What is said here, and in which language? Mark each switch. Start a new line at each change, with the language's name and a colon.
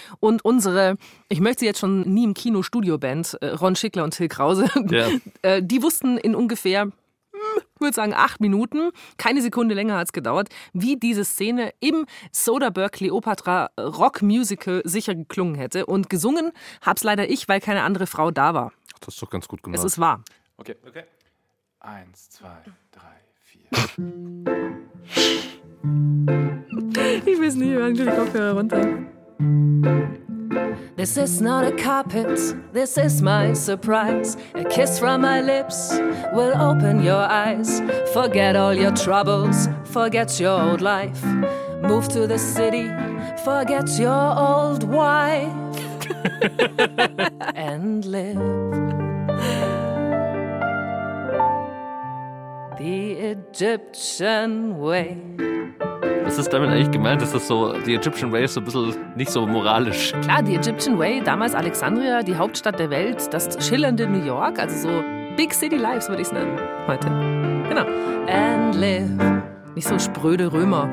German: Und unsere, ich möchte sie jetzt schon nie im Kino-Studio-Band, Ron Schickler und Till Krause, die wussten in ungefähr, ich würde sagen, 8 Minuten, keine Sekunde länger hat es gedauert, wie diese Szene im Soderbergh-Kleopatra-Rock-Musical sicher geklungen hätte. Und gesungen hab's leider ich, weil keine andere Frau da war. Ach, das ist doch ganz gut gemacht. Es ist wahr. Okay, okay. 1, 2, 3, 4. Ich will es nicht hören, die Kopfhörer runter.
English: This is not a carpet, this is my surprise. A kiss from my lips will open your eyes. Forget all your troubles, forget your old life. Move to the city, forget your old wife. And live the Egyptian way.
German: Was ist damit eigentlich gemeint? Ist das so, die Egyptian Way ist so ein bisschen nicht so moralisch? Klar, die Egyptian Way, damals Alexandria, die Hauptstadt der Welt, das schillernde New York, also so Big City Lives würde ich es nennen heute. Genau.
English: And live.
German: Nicht so spröde Römer.